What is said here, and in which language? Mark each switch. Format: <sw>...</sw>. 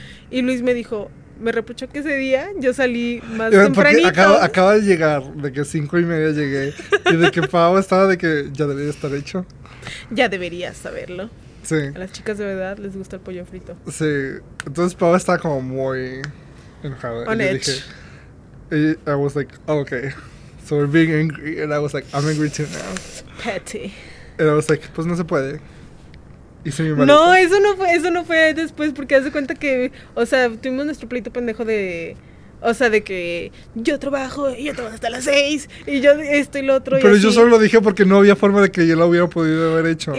<es>Y Luis me dijo, me reprochó que ese día yo salí más tempranito. Acaba de llegar, de que 5:30 llegué, y de que Pau estaba de que ya debería estar hecho. Ya deberías saberlo. Sí. A las chicas de verdad les gusta el pollo frito. Sí, entonces Pau estaba como muy enojada.</es> <en>On edge.</en> <es>Y yo dije,</es> <en>I was like, oh, okay, so we're being angry, and I was like, I'm angry too now. Petty.</en> <es>Y yo estaba like, pues no se puede. Hice mi maleta. No, eso no fue después, porque haz de cuenta que, o sea, tuvimos nuestro pleito pendejo de, o sea, de que yo trabajo y yo trabajo hasta las 6 y yo esto y lo otro. Pero y yo solo lo dije porque no había forma de que yo lo hubiera podido haber hecho.</es>